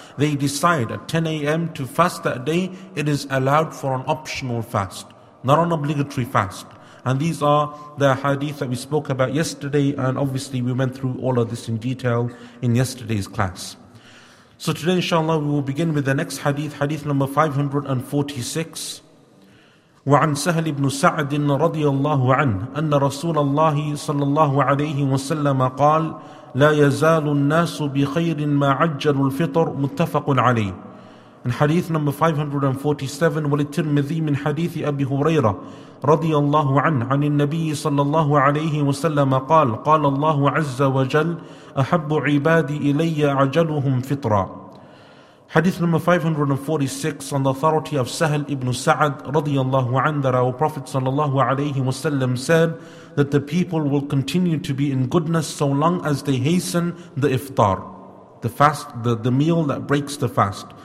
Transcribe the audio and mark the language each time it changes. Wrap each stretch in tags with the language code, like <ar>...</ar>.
<en>They decide at 10 a.m. to fast that day. It is allowed for an optional fast, not an obligatory fast. And these are the hadith that we spoke about yesterday, and obviously we went through all of this in detail in yesterday's class. So today, inshallah, we will begin with the next hadith, hadith number 546.</en> <ar>وعن سهل بن سعد رضي الله عنه أن رسول الله صلى الله عليه وسلم قال لا يزال الناس بخير ما عجلوا الفطر متفق عليه.</ar> <en>In hadith number 547,</en> <ar>وللترمذي من حديث أبي هريرة رضي الله عنه عن النبي صلى الله عليه وسلم قال قال الله عز وجل أحب عبادي إلي عجلهم فطرا.</ar> <en>Hadith number 546 on the authority of Sahal ibn Sa'ad radiyallahu anhu, that our Prophet sallallahu alayhi wa sallam said that the people will continue to be in goodness so long as they hasten the iftar, the fast, the meal that breaks the fast.</en>